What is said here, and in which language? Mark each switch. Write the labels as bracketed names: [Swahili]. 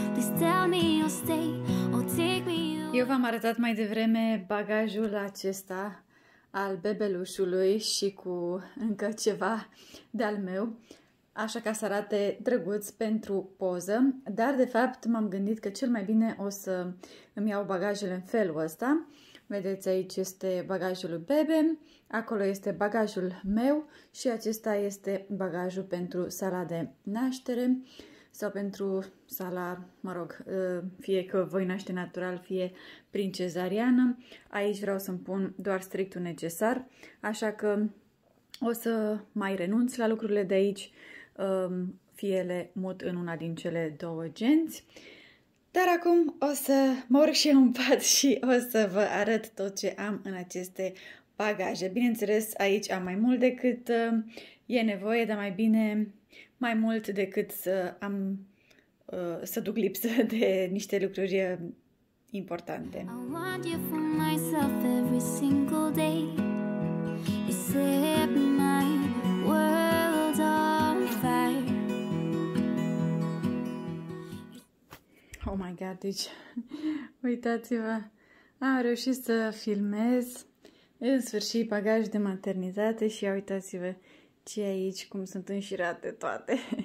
[English] Please tell me you'll stay or take me away. [Romanian] Eu v-am arătat mai devreme bagajul acesta al bebelușului și cu încă ceva de-al meu, așa ca să arate drăguț pentru poză, dar de fapt m-am gândit că cel mai bine o să îmi iau bagajele în felul ăsta. Vedeți, aici este bagajul bebe, acolo este bagajul meu și acesta este bagajul pentru sala de naștere sau pentru sala, mă rog, fie că voi naște natural, fie prin cezariană. Aici vreau să-mi pun doar strictul necesar, așa că O să mai renunț la lucrurile de aici, fie le mut în una din cele două genți. Dar acum o să mă urc și eu în pat și o să vă arăt tot ce am în aceste bagaje. Bineînțeles, aici am mai mult decât e nevoie, dar mai bine mai mult decât să am să duc lipsă de niște lucruri importante. [English] I want you for myself every single day. You set my world on fire. [Romanian] Oh my god, deci uitați-vă, am reușit să filmez în sfârșit bagaj de maternitate și ia uitați-vă ce aici, cum sunt înșirate toate.